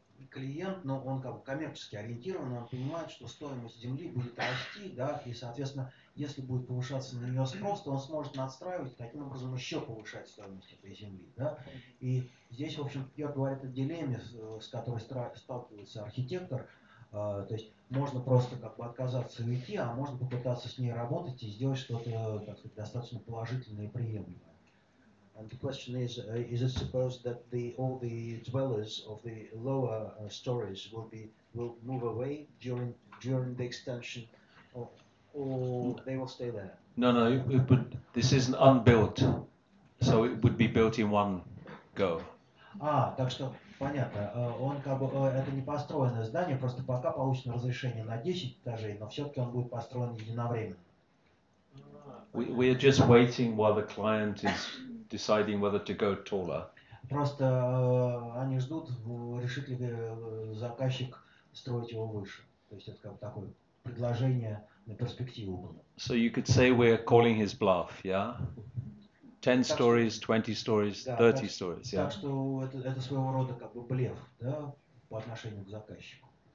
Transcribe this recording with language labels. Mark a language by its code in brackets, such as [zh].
[ru] клиент, но он как бы коммерчески ориентирован, он понимает, что стоимость земли будет расти, да, и, соответственно, если будет повышаться на нее спрос, то он сможет настраивать, таким образом еще повышать стоимость этой земли, да. И здесь, в общем, Пьер говорит о дилемме, с которой сталкивается архитектор, то есть можно просто как бы отказаться и уйти, а можно попытаться с ней работать и сделать что-то, так сказать, достаточно положительное и приемлемое. [en] And the question is it supposed that all the dwellers of the lower stories will move away during the extension, or they will stay there? No, this isn't unbuilt, so it would be built in one go. [ru] Ah, так что понятно. Он как бы это не построенное здание, просто пока получено разрешение на 10 этажей, но все-таки он будет построен единовременно. [en] We are just waiting while the client is deciding whether to go taller. [ru] Просто они ждут, решит ли заказчик строить его выше. То есть это как бы такое предложение на перспективу. [en] So you could say we are calling his bluff, yeah? 10 stories, 20 stories, 30 stories, yeah? [ru] Так что это своего рода как бы блеф, да, по отношению к заказчику.